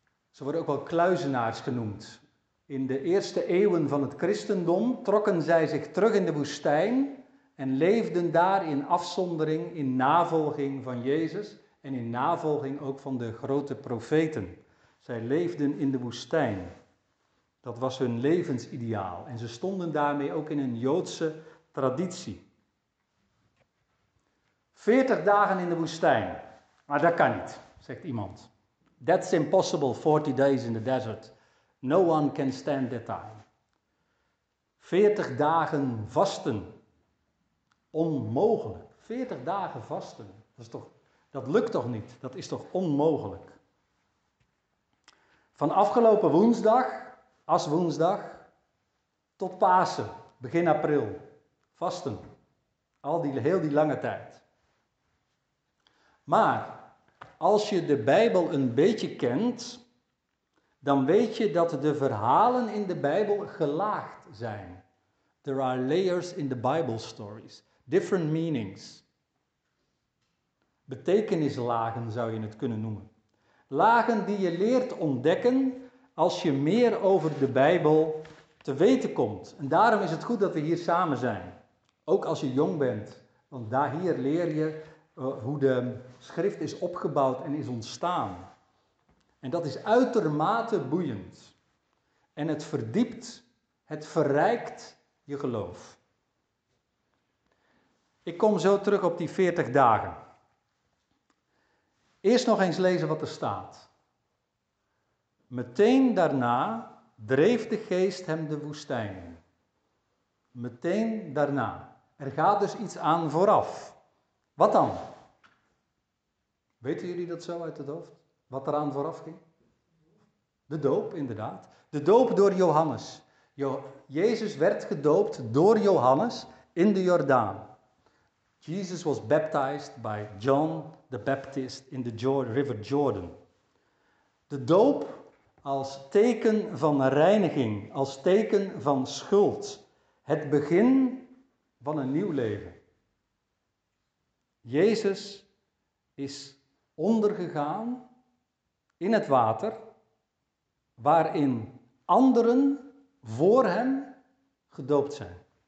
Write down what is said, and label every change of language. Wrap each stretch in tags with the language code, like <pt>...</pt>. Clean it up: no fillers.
<nl>Ze worden ook wel kluizenaars genoemd. In de eerste eeuwen van het christendom trokken zij zich terug in de woestijn en leefden daar in afzondering, in navolging van Jezus en in navolging ook van de grote profeten. Zij leefden in de woestijn. Dat was hun levensideaal. En ze stonden daarmee ook in een Joodse traditie. 40 dagen in de woestijn. Maar dat kan niet, zegt iemand.</nl> <en>That's impossible, 40 days in the desert. No one can stand that time.</en> <nl>40 dagen vasten. Onmogelijk. 40 dagen vasten. Dat lukt toch niet? Dat is toch onmogelijk? Van afgelopen woensdag, as woensdag, tot Pasen, begin april. Vasten. Heel die lange tijd. Maar, als je de Bijbel een beetje kent, dan weet je dat de verhalen in de Bijbel gelaagd zijn.</nl> <en>There are layers in the Bible stories. Different meanings.</en> <nl>Betekenislagen zou je het kunnen noemen. Lagen die je leert ontdekken als je meer over de Bijbel te weten komt. En daarom is het goed dat we hier samen zijn. Ook als je jong bent. Want daar hier leer je hoe de schrift is opgebouwd en is ontstaan. En dat is uitermate boeiend. En het verdiept, het verrijkt je geloof. Ik kom zo terug op die 40 dagen. Eerst nog eens lezen wat er staat. Meteen daarna dreef de geest hem de woestijn in. Meteen daarna. Er gaat dus iets aan vooraf. Wat dan? Weten jullie dat zo uit het hoofd? Wat eraan vooraf ging? De doop, inderdaad. De doop door Johannes. Jezus werd gedoopt door Johannes in de Jordaan.</nl> <en>Jesus was baptized by John the Baptist in the River Jordan.</en> <nl>De doop als teken van reiniging, als teken van schuld. Het begin van een nieuw leven. Jezus is ondergegaan in het water waarin anderen voor hem gedoopt zijn.</nl>